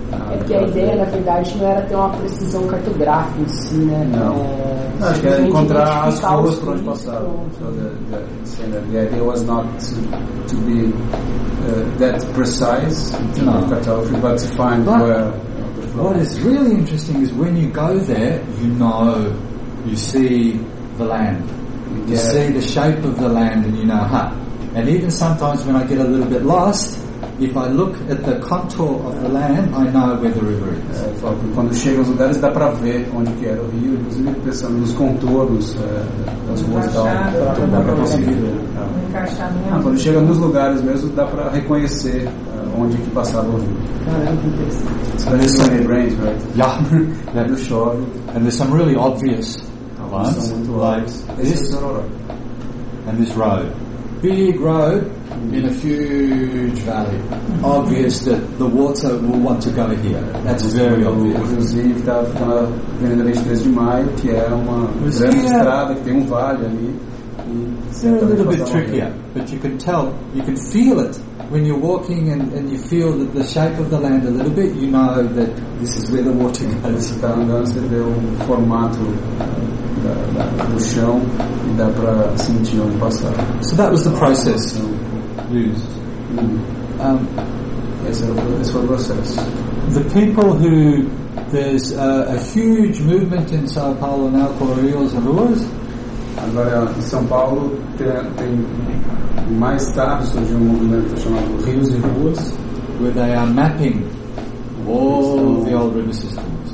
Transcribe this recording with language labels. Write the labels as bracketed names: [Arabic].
[Portuguese] É porque a ideia, na verdade, não era ter uma precisão cartográfica em si, né? Não. Acho que era encontrar as ruas por onde passaram. A ideia [English] was not to be that precise in terms of cartography, but to find where. What is really interesting is when you go there, you know, you see the land. You see the shape of the land and you know, huh. And even sometimes when I get a little bit lost, if I look at the contour of the land, I know where the river is. [Portuguese] É, só quando chega aos lugares, dá para ver onde que era o rio, inclusive pensando nos contornos das ruas e tal. Dá para conseguir. Quando chega nos lugares mesmo, dá para reconhecer onde que passava o rio. Caramba, que interessante. [English] Especially when it rains, right? Yeah. [Portuguese] Quando chove. [English] And there's some really obvious ones. Like this. And this road. Big road in a huge valley. Obvious that the water will want to go here. That's very obvious. [Portuguese] Inclusive, estava ficando vendo a 23 de maio, que é uma grande estrada, que tem vale ali. [English] A little bit trickier, but you can tell, you can feel it when you're walking and you feel that the shape of the land a little bit, you know that this is where the water goes. [Portuguese] Você está andando, você vê o formato do chão e dá para sentir onde passar. [English] So that was the process used. [Portuguese] Esse foi o processo. [English] The people who, there's a huge movement in São Paulo now called Rios and Ruas. [Portuguese] Agora em São Paulo tem mais tarde surgiu um movimento chamado Rios e Ruas, [English] where they are mapping all the old river systems.